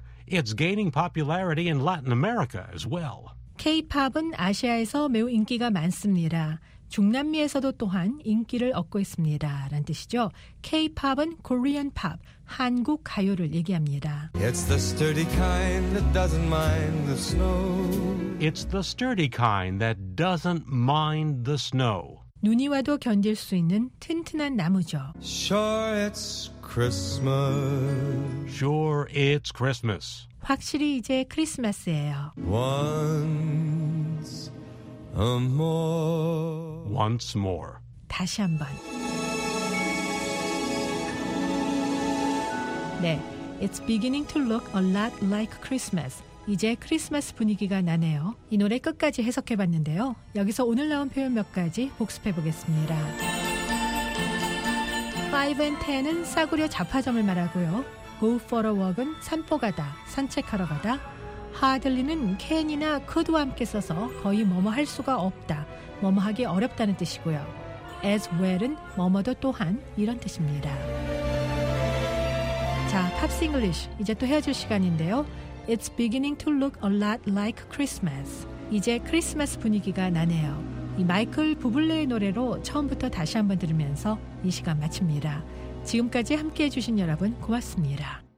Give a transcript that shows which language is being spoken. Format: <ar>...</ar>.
<en>It's gaining popularity in Latin America as well.</en> <ko>K-pop은 아시아에서 매우 인기가 많습니다. 중남미에서도 또한 인기를 얻고 있습니다. 라는 뜻이죠. K-pop은 Korean pop, 한국 가요를 얘기합니다.</ko> <en>It's the sturdy kind that doesn't mind the snow. It's the sturdy kind that doesn't mind the snow.</en> <ko>눈이 와도 견딜 수 있는 튼튼한 나무죠.</ko> <en>Sure it's Christmas. Sure it's Christmas.</en> <ko>확실히 이제 크리스마스예요.</ko> <en>Once more. Once more.</en> <ko>다시 한번.</ko> <en>네, It's beginning to look a lot like Christmas.</en> <ko>이제 크리스마스 분위기가 나네요. 이 노래 끝까지 해석해봤는데요. 여기서 오늘 나온 표현 몇 가지 복습해보겠습니다. 5 and 10은 싸구려 잡화점을 말하고요.</ko> <en>Go for a walk</en> <ko>은 산포 가다, 산책하러 가다. Hardly는 can이나 could와 함께 써서 거의 뭐뭐 할 수가 없다, 뭐뭐 하기 어렵다는 뜻이고요. As well은 뭐뭐도 또한 이런 뜻입니다. 자, Pops English 이제 또 헤어질 시간인데요.</ko> <en>It's beginning to look a lot like Christmas.</en> <ko>이제 크리스마스 분위기가 나네요. 이 마이클 부블레의 노래로 처음부터 다시 한번 들으면서 이 시간 마칩니다. 지금까지 함께해 주신 여러분 고맙습니다.</ko>